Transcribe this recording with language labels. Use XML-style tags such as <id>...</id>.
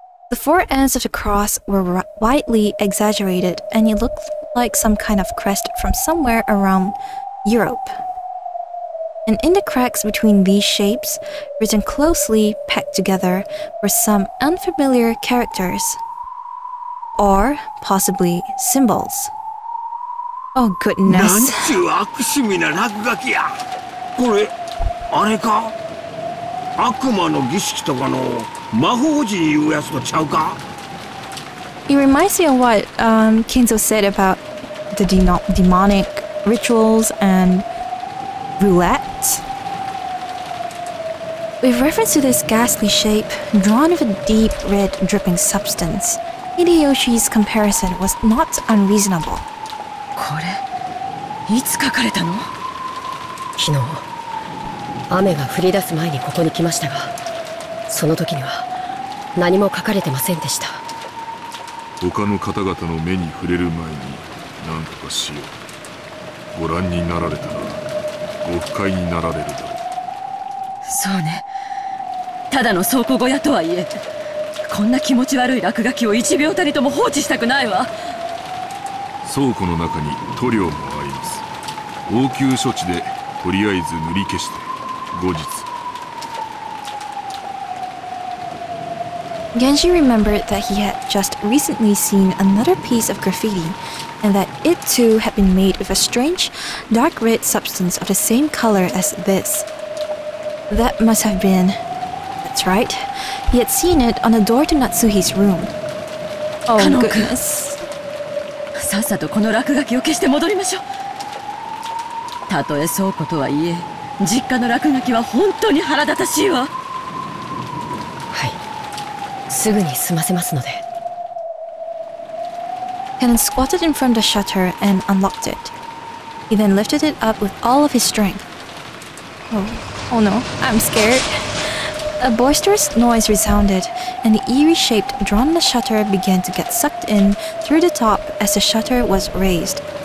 <en>The four ends of the cross were widely exaggerated, and it looked like some kind of crest from somewhere around Europe. And in the cracks between these shapes, written closely packed together, were some unfamiliar characters. Or possibly symbols. Oh goodness.</en> <ja>なんちゅう悪趣味な落書きや。これ、あれか? 悪魔の儀式とかの魔法陣いうやつとちゃうか?</ja> <en>It reminds me of what Kinzo said about the demonic rituals and roulette. With reference to this ghastly shape, drawn with a deep red dripping substance, Hideyoshi's comparison was not unreasonable.</en> <ja>これ、いつ書かれたの？昨日、雨が降り出す前にここに来ましたが、その時には何も書かれてませんでした。他の方々の目に触れる前に何とかしよう。ご覧になられたら、ご不快になられるだろう。そうね。ただの倉庫小屋とはいえ、こんな気持ち悪い落書きを一秒たりとも放置したくないわ。倉庫の中に塗料もあります。応急処置でとりあえず塗り消して、後日。</ja> <en>Genji remembered that he had just recently seen another piece of graffiti, and that it too had been made with a strange, dark red substance of the same color as this. That must have been... That's right. He had seen it on the door to Natsuhi's room. Oh, goodness.</en> <ja>さっさとこの落書きを消して戻りましょう。たとえ倉庫とはいえ、実家の落書きは本当に腹立たしいわ。すぐに済ませますので。</ja> <en>Kanon squatted in front of the shutter and unlocked it. He then lifted it up with all of his strength. Oh no, I'm scared. A boisterous noise resounded, and the eerie shape drawn on the shutter began to get sucked in through the top as the shutter was raised.</en>